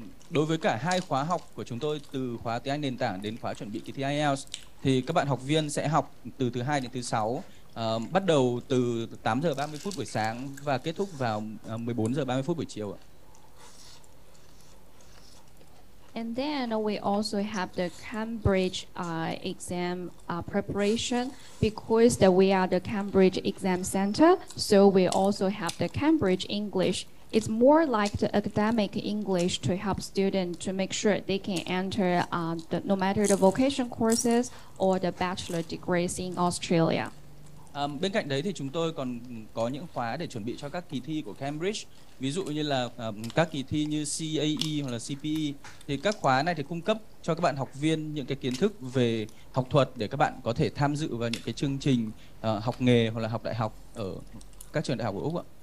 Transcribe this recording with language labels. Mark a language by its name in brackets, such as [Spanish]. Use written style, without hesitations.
[Vietnamese] Đối với cả hai khóa học của chúng tôi, từ khóa tiếng Anh nền tảng đến khóa chuẩn bị kỳ thi IELTS, thì các bạn học viên sẽ học từ thứ hai đến thứ sáu, bắt đầu từ 8:30 buổi sáng và kết thúc vào 14:30 buổi chiều. [English] And then we also have the Cambridge exam preparation. Because that we are the Cambridge Exam Center, so we also have the Cambridge English. It's more like the academic English to help students to make sure they can enter no matter the vocation courses or the bachelor degrees in Australia. [Vietnamese] Bên cạnh đấy thì chúng tôi còn có những khóa để chuẩn bị cho các kỳ thi của Cambridge. Ví dụ như là các kỳ thi như CAE hoặc là CPE. Thì các khóa này thì cung cấp cho các bạn học viên những cái kiến thức về học thuật để các bạn có thể tham dự vào những cái chương trình học nghề hoặc là học đại học ở các trường đại học ở Úc ạ.